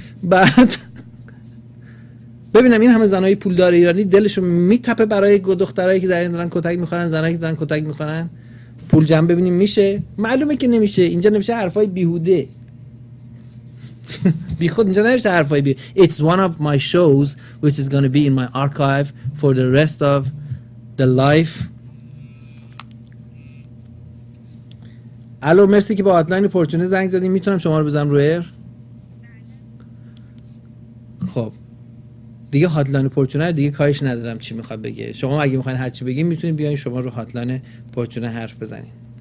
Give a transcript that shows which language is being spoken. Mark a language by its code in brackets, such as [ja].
[fa] بعد ببینم این همه زنهای پولدار ایرانی دلشون میتپه برای دخترایی که در این دارن کتک میخورن، زنهایی که دارن کتک میخورن، پول جمع ببینیم میشه؟ معلومه که نمیشه. اینجا نمیشه حرفای بیهوده بی خود، اینجا نمیشه حرفای بیهوده. [en] It's one of my shows which is gonna be in my archive for the rest of the life. [fa] الو مرسی که با آتلاین پورتونه زنگ زدیم، میتونم شما رو بزنم رو ایر؟ خب دیگه هاتلاین پورتونه دیگه کارش ندارم چی میخواد بگه. شما اگه میخواین هرچی بگیم میتونین بیاین شما رو هاتلاین پورتونه حرف بزنین.